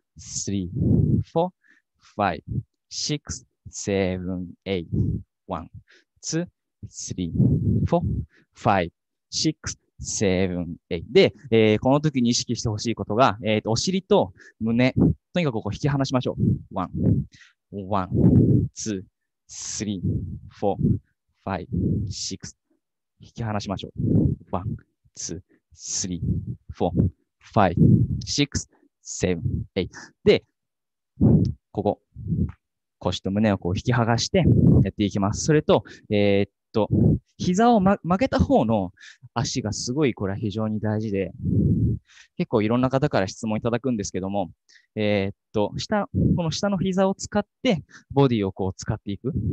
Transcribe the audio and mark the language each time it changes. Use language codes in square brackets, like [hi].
[en] three, four, five, six, seven, eight, one, two, three, four, five, six, seven, eight. [ja] で、この時に意識してほしいことが、お尻と胸、とにかくここ引き離しましょう。 [en] one, one, two, three, four, five, six. [ja] 引き離しましょう。 [en] one, two, three, four, five, six, seven, eight. [ja] で、ここ、腰と胸をこう引き剥がしてやっていきます。それと、膝を、曲げた方の足がすごい、これは非常に大事で、結構いろんな方から質問いただくんですけども、下、この下の膝を使って、ボディをこう使っていくっ